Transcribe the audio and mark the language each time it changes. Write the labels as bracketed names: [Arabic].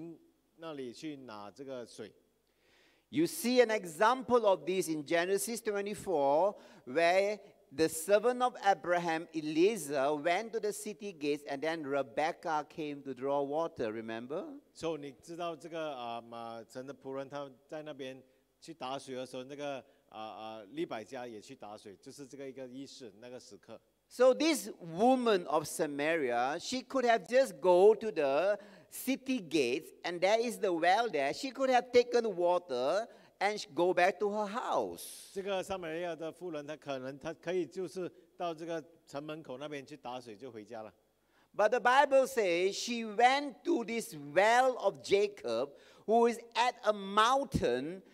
[Chinese] 这个城里的人会到这个井那里去拿这个水。 [English] You see an example of this in Genesis 24, where the servant of Abraham, Eliezer, went to the city gates and then Rebekah came to draw water, remember? [Chinese] So, 你知道这个马城的仆人他在那边去打水的时候，那个利百加也去打水，就是这个一个意思，那个时刻。 [English] So this woman of Samaria, she could have just go to the city gates and there is the well there. She could have taken water and go back to her house. [Chinese] 这个撒玛利亚的妇人，她可能就是到这个城门口那边去打水就回家了。 [English] But the Bible says she went to this well of Jacob, who is at a mountain.